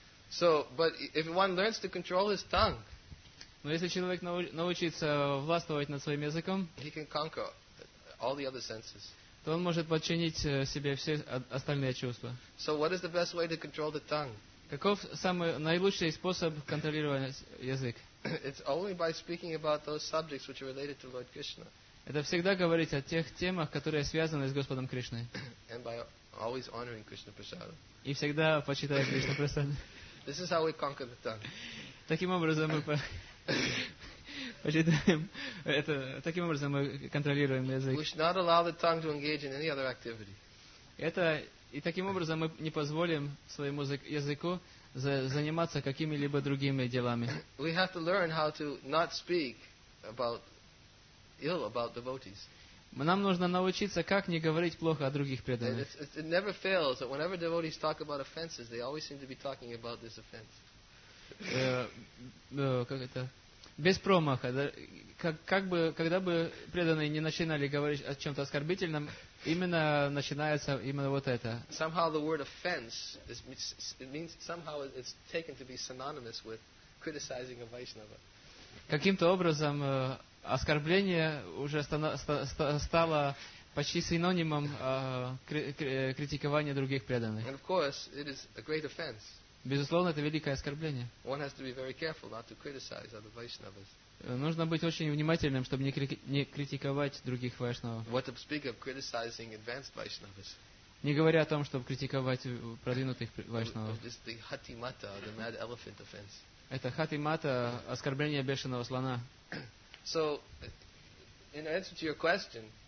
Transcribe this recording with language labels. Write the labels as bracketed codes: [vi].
[en] So, but if one learns to control his tongue, [ru] но если человек научится властвовать над своим языком, [en] he can conquer all the other senses. [ru] То он может подчинить себе все остальные чувства. [en] So what is the best way to control the tongue? [ru] Каков самый наилучший способ контролировать язык? [en] It's only by speaking about those subjects which are related to Lord Krishna. [ru] Это всегда говорить о тех темах, которые связаны с Господом Кришной. [en] And by always honoring Krishna Prasada. [ru] И всегда почитая Кришну Прасаду. [en] This is how we conquer the tongue. [ru] Таким образом мы почитаем это. Таким образом мы контролируем язык. [en] We should not allow the tongue to engage in any other activity. [ru] Это И таким образом мы не позволим своему языку заниматься какими-либо другими делами. [en] We have to learn how to not speak about ill about devotees. [ru] Нам нужно научиться, как не говорить плохо о других преданных. [en] It never fails that whenever devotees talk about offenses, they always seem to be talking about this offense. [ru] Как это? Без промаха. Когда бы преданные не начинали говорить о чем-то оскорбительном, именно начинается именно вот это. [en] Somehow the word offense means somehow it's taken to be synonymous with criticizing a Vaishnava. [ru] Каким-то образом оскорбление уже стало почти синонимом критикования других преданных. [en] And of course, it is a great offense. [ru] Безусловно, это великое оскорбление. [en] One has to be very careful not to criticize other Vaishnavas. [ru] Нужно быть очень внимательным, чтобы не критиковать других вайшнавов. [en] What to speak of criticizing advanced Vaishnavas. [ru] Не говоря о том, чтобы критиковать продвинутых вайшнавов. [en] This is the hatimata, the mad elephant offense. [ru] Это хатимата, оскорбление бешеного слона. [en] So, in answer to your question,